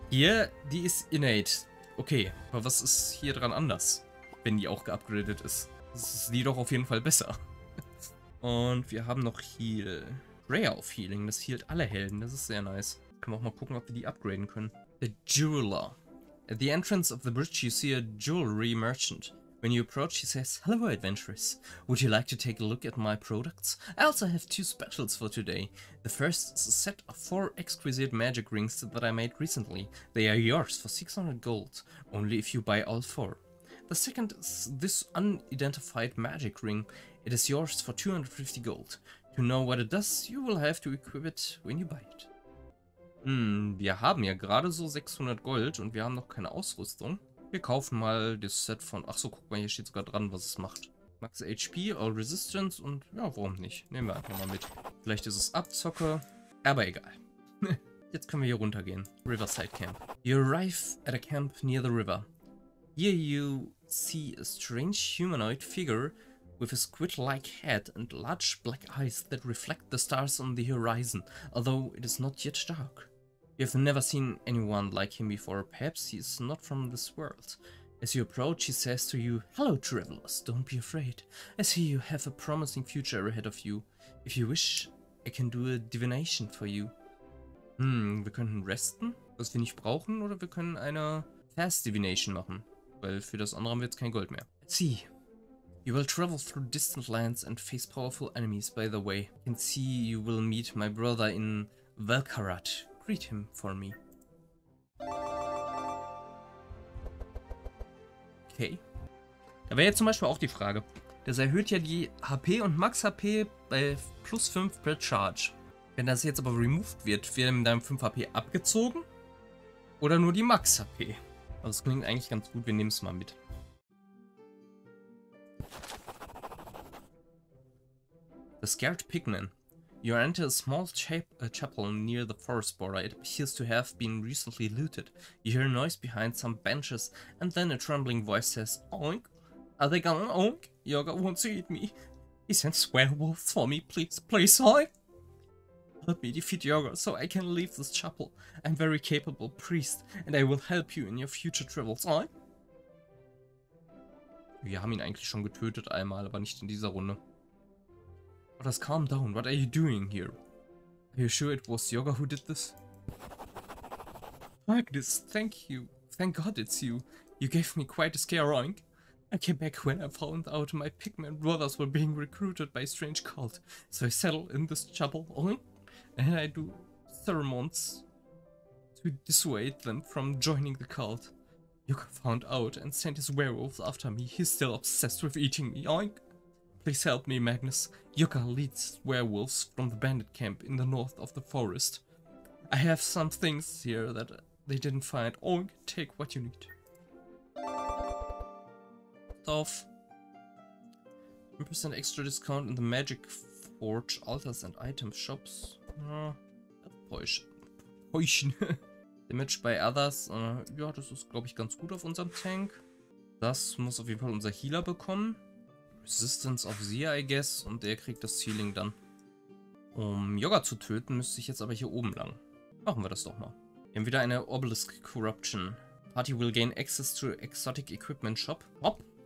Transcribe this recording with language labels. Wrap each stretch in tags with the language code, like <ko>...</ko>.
<de>Hier, die ist innate. Okay, aber was ist hier dran anders, wenn die auch geupgradet ist? Das ist die doch auf jeden Fall besser. Und wir haben noch Heal. Rare of Healing, das healt alle Helden, das ist sehr nice. Können wir auch mal gucken, ob wir die upgraden können.</de> <en>The Jeweler. At the entrance of the bridge you see a jewelry merchant. When you approach he says, hello adventurers. Would you like to take a look at my products? I also have two specials for today. The first is a set of four exquisite magic rings that I made recently. They are yours for 600 gold, only if you buy all four. The second is this unidentified magic ring. It is yours for 250 gold. To know what it does, you will have to equip it when you buy it.</en> <de>Wir haben ja gerade so 600 Gold und wir haben noch keine Ausrüstung. Wir kaufen mal das Set von... Achso, guck mal, hier steht sogar dran, was es macht. Max HP, All Resistance und ja, warum nicht? Nehmen wir einfach mal mit. Vielleicht ist es Abzocke, aber egal. Jetzt können wir hier runtergehen. Riverside Camp.</de> <en>You arrive at a camp near the river. Here you see a strange humanoid figure with a squid-like head and large black eyes that reflect the stars on the horizon, although it is not yet dark. You have never seen anyone like him before, perhaps he is not from this world. As you approach, he says to you, "Hello travelers, don't be afraid. I see you have a promising future ahead of you. If you wish, I can do a divination for you."</en> <de>Wir könnten resten, was wir nicht brauchen, oder wir können eine Fast Divination machen, weil für das andere haben wir jetzt kein Gold mehr.</de> <en>See, you will travel through distant lands and face powerful enemies by the way. I can see you will meet my brother in Velkarat. Greet him for me. Okay.</en> <de>Da wäre jetzt zum Beispiel auch die Frage. Das erhöht ja die HP und Max HP bei plus 5 per Charge. Wenn das jetzt aber removed wird, werden mit deinem 5 HP abgezogen? Oder nur die Max HP? Aber es klingt eigentlich ganz gut, wir nehmen es mal mit.</de> <en>The Scared Pigman. You enter a small chapel near the forest border. It appears to have been recently looted. You hear a noise behind some benches and then a trembling voice says, "Oink, are they gone? Oink, Yoga wants to eat me. He sends werewolves for me, please, please, oink. Help me defeat Yoga so I can leave this chapel. I'm very capable priest and I will help you in your future travels, oink."</en> <de>Wir haben ihn eigentlich schon getötet einmal, aber nicht in dieser Runde.</de> <en>Oh, just calm down. What are you doing here? Are you sure it was Yoga who did this? Magnus, thank you. Thank God it's you. You gave me quite a scare, oink. I came back when I found out my pigman brothers were being recruited by a strange cult. So I settled in this chapel, oink. And I do ceremonies to dissuade them from joining the cult. Yoga found out and sent his werewolves after me. He's still obsessed with eating me, oink. Please help me, Magnus. Yuka leads werewolves from the bandit camp in the north of the forest. I have some things here that they didn't find. Oink, take what you need. Off. 10% extra discount in the Magic Forge altars and item shops.</en> <de>Päuschen.</de> <en>Damage by others.</en> <de>Ja, das ist, glaube ich, ganz gut auf unserem Tank. Das muss auf jeden Fall unser Healer bekommen. Resistance auf sie,</de> <en>I guess.</en> <de>Und der kriegt das Healing dann. Um Yoga zu töten, müsste ich jetzt aber hier oben lang. Machen wir das doch mal. Wir haben wieder eine Obelisk Corruption.</de> <en>Party will gain access to exotic equipment shop.</en> <de>Hopp.</de>